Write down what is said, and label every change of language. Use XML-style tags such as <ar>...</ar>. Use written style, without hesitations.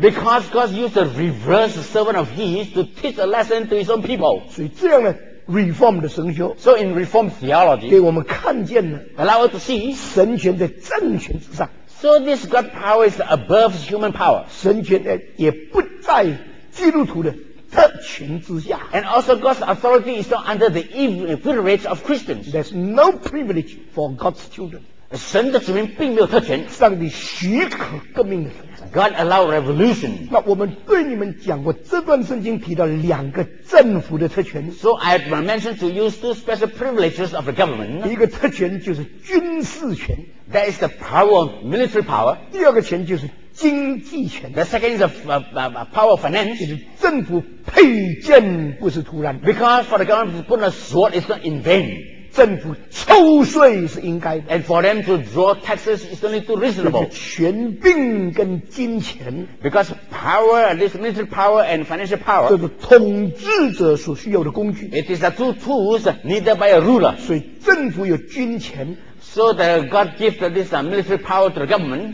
<en>Because God used a reverse servant of his to teach a lesson to his own people.</en> <zh>所以这样的 reform 的神学</zh> <en>，So in reform theology,</en> <zh>给我们看见了</zh> <en>，allow us to see</en> <zh>神权在政权之上。</zh> <en>So this God power is above human power.</en> <zh>神权也不在基督徒的特权之下。</zh> <en>And also God's authority is not under the privilege of Christians. There's no privilege for God's children.</en> <zh>神的子民并没有特权。上帝许可革命的存在。</zh> <en>God allowed revolution.</en> <zh>那我们对你们讲过，这段圣经提到两个政府的特权。</zh> <en>So I have mentioned to you two special privileges of the government.</en> <zh>一个特权就是军事权。</zh> <en>That is the power of military power.</en> <zh>第二个权就是经济权。</zh> <en>The second is a power of finance.</en> <zh>就是政府佩剑不是突然。</zh> <en>Because for the government to put a sword is not in vain.</en> <zh>政府抽税是应该的。</zh> <en>And for them to draw taxes is only too reasonable.</en> <zh>就是权柄跟金钱。</zh> <en>Because power, this military power and financial power.</en> <zh>就是统治者所需要的工具。</zh> <en>It is the two tools needed by a ruler.</en> <zh>所以政府有军权。</zh> <en>So that God gives this military power to the government.</en>